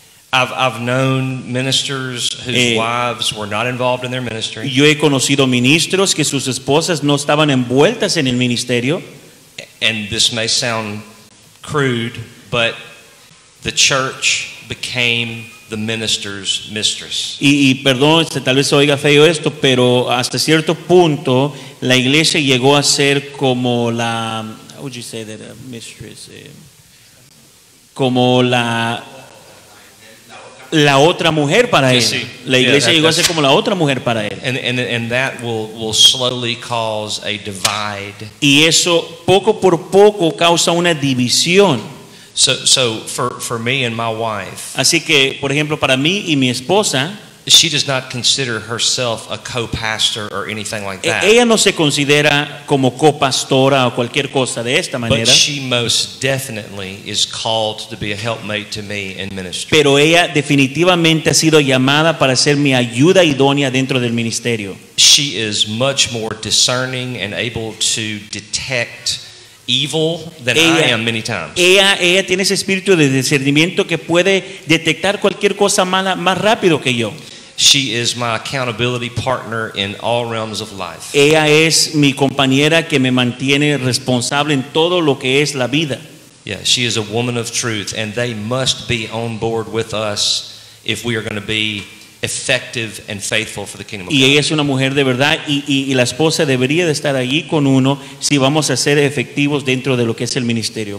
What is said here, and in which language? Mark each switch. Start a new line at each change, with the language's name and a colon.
English: I've known ministers whose wives were not involved in their ministry.
Spanish: Yo he conocido ministros que sus esposas no estaban envueltas en el ministerio.
English: And this may sound crude, but the church became the minister's mistress.
Spanish: Y perdón, tal vez oiga feo esto, pero hasta cierto punto la iglesia llegó a ser como la
English: how would you say that a mistress
Spanish: como la la otra mujer para él. La iglesia llegó a ser como la otra mujer para él.
English: And that will slowly cause a divide.
Spanish: Y eso poco por poco causa una división.
English: So for me and my wife.
Spanish: Así que, por ejemplo, para mí y mi esposa,
English: she does not consider herself a co-pastor or anything like that.
Spanish: Ella no se considera como copastora o cualquier cosa de esta manera.
English: But she most definitely is called to be a helpmate to me in ministry.
Spanish: Pero ella definitivamente ha sido llamada para ser mi ayuda idónea dentro del ministerio.
English: She is much more discerning and able to detect evil than
Spanish: ella,
English: I am many times.
Spanish: Ella tiene ese espíritu de discernimiento que puede detectar cualquier cosa mala más rápido que yo.
English: She is my accountability partner in all realms of life.
Spanish: Ella es mi compañera que me mantiene responsable en todo lo que es la vida.
English: Yeah, she is a woman of truth, and they must be on board with us if we are going to be effective and faithful for the kingdom of God.
Spanish: Y ella es una mujer de verdad, y la esposa debería de estar allí con uno si vamos a ser efectivos dentro de lo que es el ministerio.